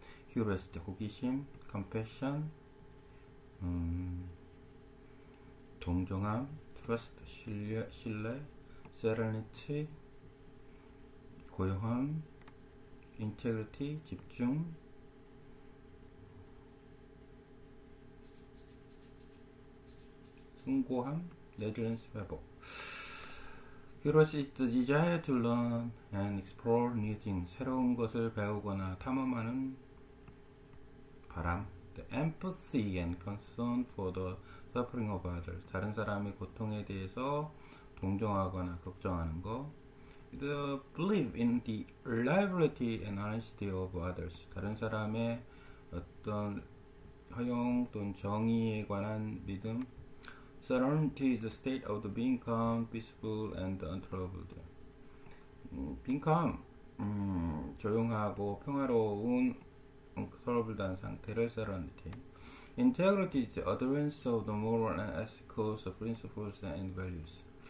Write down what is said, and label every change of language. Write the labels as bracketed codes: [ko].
[ko] 큐리오시티, 호기심, 컴패션, 동정함, 트러스트, 신뢰, 세레니티, 고요함, 인테그리티, 집중, 숭고함, 레질리언스, 회복. [en] Curiosity, desire to learn and explore new things. [ko] 새로운 것을 배우거나 탐험하는 바람. [en] The empathy and concern for the suffering of others. [ko] 다른 사람의 고통에 대해서 동정하거나 걱정하는 거. [en] The belief in the reliability and honesty of others. [ko] 다른 사람의 어떤 허용 또는 정의에 관한 믿음. [en] Serenity is the state of the being calm, peaceful, and untroubled. Being calm, [ko] 조용하고 평화로운, untroubled한 상태를 serenity. [en] Integrity is the utterance of the moral and ethical principles and values.